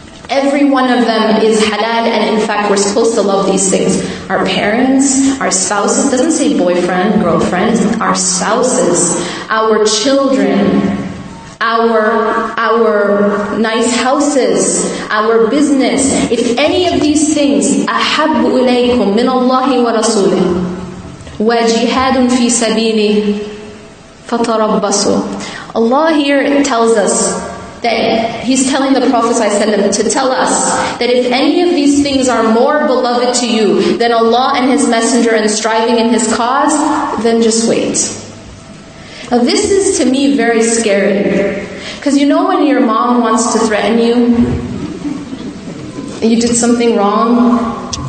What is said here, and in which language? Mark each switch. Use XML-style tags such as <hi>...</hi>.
<en>Every one of them is halal, and in fact, we're supposed to love these things. Our parents, our spouses, doesn't say boyfriend, girlfriend, our spouses, our children, our nice houses, our business. If any of these things,</en> <ar>أحب إليكم من الله ورسوله وجهاد في سبيله فتربصوا.</ar> <en>Allah here tells us that He's telling the Prophet ﷺ to tell us that if any of these things are more beloved to you than Allah and His Messenger and striving in His cause, then just wait. Now this is to me very scary. Because you know when your mom wants to threaten you and you did something wrong?</en>